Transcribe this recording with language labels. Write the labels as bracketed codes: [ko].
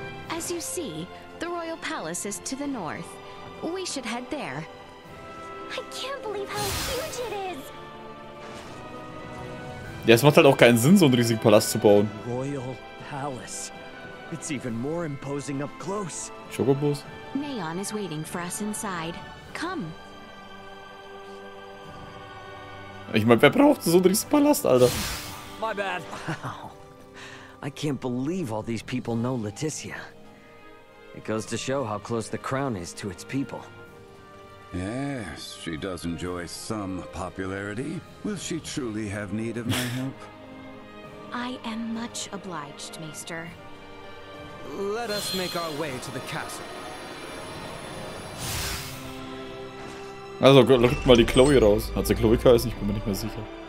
[en] As you see, the Royal Palace is to the north. We should head there. I can't believe how huge it is! [de] Ja, es macht halt auch keinen Sinn, so einen riesigen Palast zu bauen. [en] Royal Palace. It's even more imposing up close. Chocobos. Neon is waiting for us inside. Come. [de] Ich meine, wer braucht so einen riesigen Palast, Alter? [en] My bad. Wow. I can't believe all these people know Letizia. It goes to show how close the crown is to its people. Yes, she does enjoy some popularity. Will she truly have need of my help? I am much obliged, Maester. Let us make our way to the castle. [de] Also, rückt mal die Chloe raus. Hat sie Chloe geheißen? Ich bin mir nicht mehr sicher.